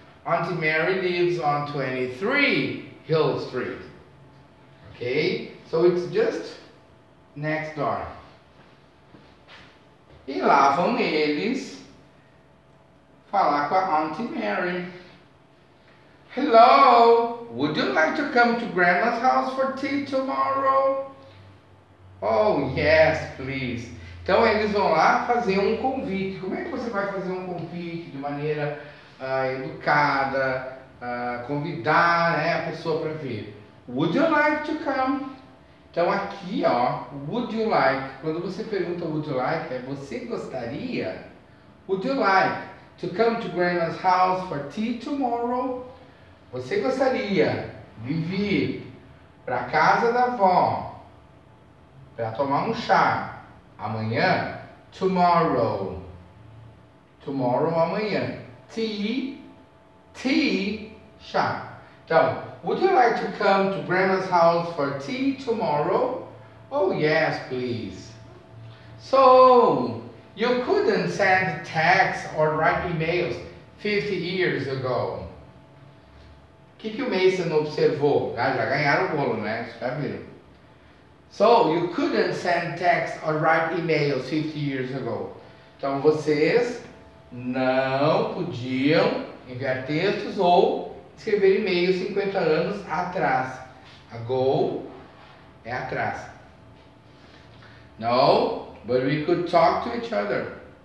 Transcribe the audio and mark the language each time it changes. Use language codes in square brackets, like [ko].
[en] Auntie Mary lives on 23 Hill Street. Okay? So it's just next door. [pt] E lá vão eles falar com a Auntie Mary. [en] Hello, would you like to come to grandma's house for tea tomorrow? Oh, yes, please. [pt] Então, eles vão lá fazer um convite. Como é que você vai fazer um convite de maneira educada, convidar, né, a pessoa para vir? [en] Would you like to come? [pt] Então aqui, ó, [en] would you like? [pt] Quando você pergunta [en] would you like, [pt] é você gostaria? [en] Would you like to come to grandma's house for tea tomorrow? [pt] Você gostaria de vir para casa da avó para tomar um chá amanhã? [en] Tomorrow. Tomorrow, amanhã. Tea, chá. [pt] Então, [en] would you like to come to grandma's house for tea tomorrow? Oh, yes, please. So, you couldn't send texts or write emails 50 years ago. [pt] O que, que o Mason observou? Ah, já ganharam o bolo, né? Já viram. [en] So, you couldn't send texts or write emails 50 years ago. [pt] Então, vocês não podiam enviar textos ou escrever e-mail 50 anos atrás. Ago é atrás. [en] No, but we could talk to each other.